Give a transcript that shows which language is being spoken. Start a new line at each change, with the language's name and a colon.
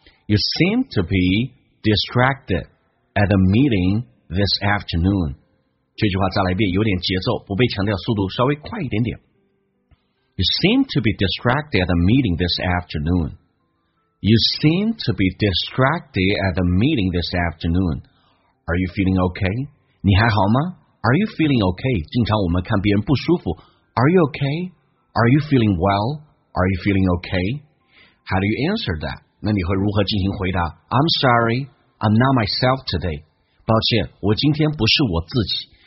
English: You seem to be distracted at the meeting this afternoon。
Chinese: 这句话再来一遍，有点节奏，不被强调，速度稍微快一点点。
English: You seem to be distracted at the meeting this afternoon。 You seem to be distracted at the meeting this afternoon。 Are you feeling okay？
Chinese: 你还好吗？
English: Are you feeling okay?
Chinese: 经常我们看别人不舒服。
English: Are you okay? Are you feeling well? Are you feeling okay? How do you answer that?
Chinese: 那你会如何进行回答？
English: I'm sorry, I'm not myself today.
Chinese: 抱歉，我今天不是我自己。